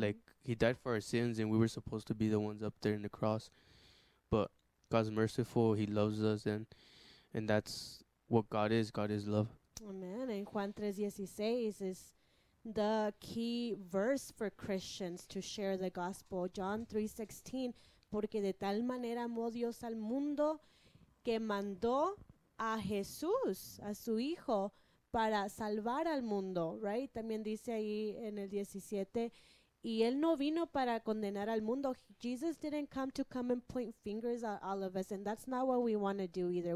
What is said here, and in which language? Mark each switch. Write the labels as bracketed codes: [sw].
[en] Like, He died for our sins and we were supposed to be the ones up there in the cross, but God's merciful. He loves us, and that's what God is. God is love. Amen. And Juan 3:16 is the key verse for Christians to share the gospel. [es] John 3:16, porque de tal manera amó Dios al mundo que mandó a Jesús, a su hijo, para salvar al mundo, right? También dice ahí en el 17, y él no vino para condenar al mundo. [en] Jesus didn't come to come and point fingers at all of us, and that's not what we want to do either.